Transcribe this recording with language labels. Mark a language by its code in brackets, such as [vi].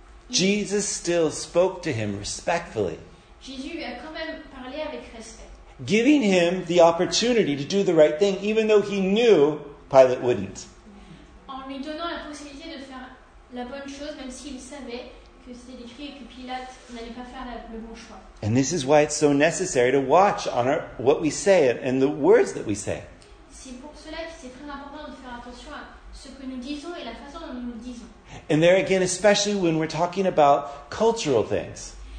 [en] Jesus still spoke to him respectfully. [fr] Jésus a quand même parlé avec respect. [en] Giving him the opportunity to do the right thing, even though he knew Pilate wouldn't. [fr] En lui donnant la possibilité de faire la bonne chose, même s'il savait que c'était écrit et que Pilate n'allait pas faire le bon choix. [en] And this is why it's so necessary to watch on our, what we say and the words that we say. [fr] C'est pour cela que c'est très important de faire attention à ce que nous disons et la façon dont nous le disons. [en] And there again, especially when we're talking about cultural things.